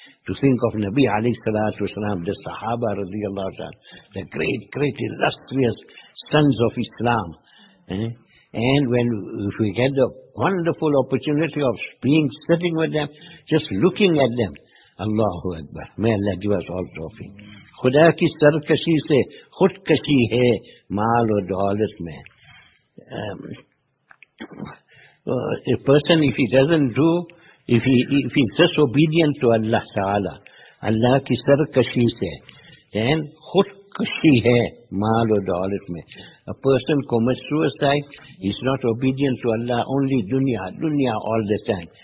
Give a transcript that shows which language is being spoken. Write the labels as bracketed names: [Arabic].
[English] To think of Nabi alayhi salatu wasalam, the Sahaba radiallahu ta'ala, the great, great, illustrious sons of Islam. And when if we get the wonderful opportunity of being sitting with them, just looking at them, Allahu Akbar, may Allah give us all tawfiq. [Urdu] خدا کی سرکشی سے خود کشی ہے مال اور دولت میں. [English] A person, if he doesn't do, if he is just obedient to Allah Ta'ala, Allah [Urdu] کی سرکشی سے, [English] then [Urdu] خود کشی ہے مال اور دولت میں. [English] A person commits suicide, is not obedient to Allah, only dunya all the time.